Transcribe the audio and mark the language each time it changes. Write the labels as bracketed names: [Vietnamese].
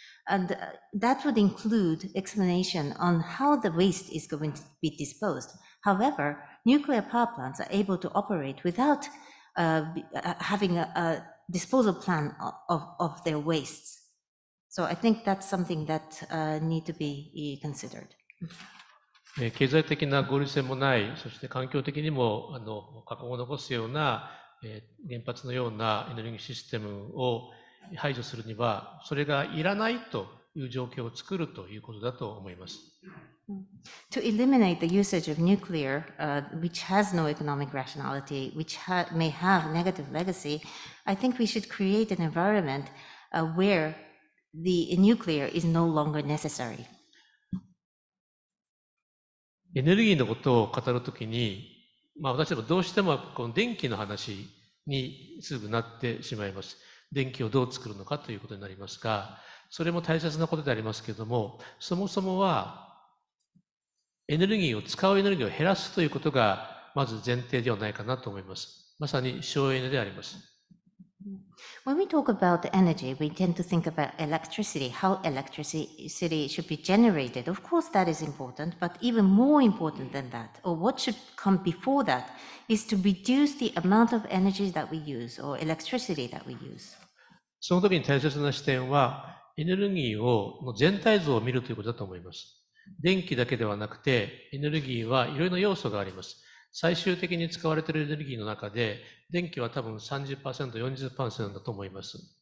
[English] And that would include explanation on how the waste is going to be disposed. However, nuclear power plants are able to operate without having a disposal plan of their wastes. So I think that's something that need to be considered. [Japanese] 経済的な合理性もない、そして環境的にも過去を残すような、原発のようなエネルギーシステムを排除するには、それがいらないという状況を作るということだと思います。 [English] To eliminate the usage of nuclear, which has no economic rationality, which may have negative legacy, I think we should create an environment where the nuclear is no longer necessary. [Japanese] エネルギーのことを語るときに、私もどうしてもこの電気の話にすぐなってしまいます。電気をどう作るのかということになりますが、それも大切なことでありますけれども、そもそもはエネルギーを使うエネルギーを減らすということがまず前提ではないかなと思います。まさに省エネであります。 [English] When we talk about energy, we tend to think about electricity, how electricity should be generated. Of course, that is important, but even more important than that, or what should come before that, is to reduce the amount of energy that we use, or electricity that we use. [Japanese] その時に大切な視点は、エネルギーをの全体像を見るということだと思います。電気だけではなくて、エネルギーはいろいろな要素があります。最終的に使われているエネルギーの中で、電気は多分 30%、40% だと思います。